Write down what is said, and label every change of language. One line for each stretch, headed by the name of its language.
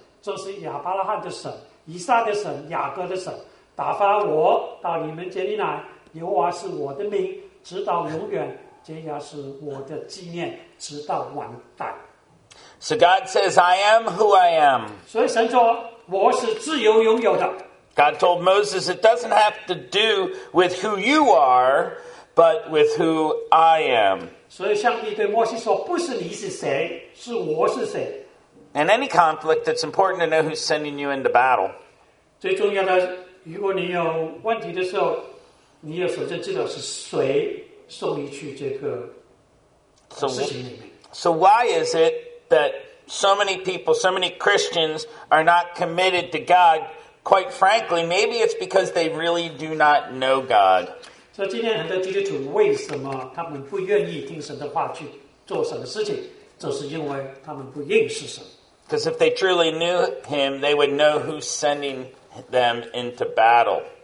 Chinese: 这是亚伯拉罕的神,以撒的神,雅各的神,打发我到你们这里来,耶和华是我的名,直到永远,这也是我的纪念,直到万代。
English: So God says, I am who I am.
Chinese: 所以神说,我是自由拥有的。
English: God told Moses, it doesn't have to do with who you are, but with who I am.
Chinese: 所以上帝对摩西说,不是你是谁,是我是谁。
English: In any conflict, it's important to know who's sending you into battle.
Chinese: 最重要的,如果你有问题的时候,你要首先知道是谁送你去这个事情里面。
English: So why is it that so many people, so many Christians are not committed to God? Quite frankly, maybe it's because they really do not know God. So,
Chinese: 今天很多基督徒为什么他们不愿意听神的话去做什么事情？这是因为他们不认识神。
English: Because if they truly knew Him, they would know who's sending them into battle.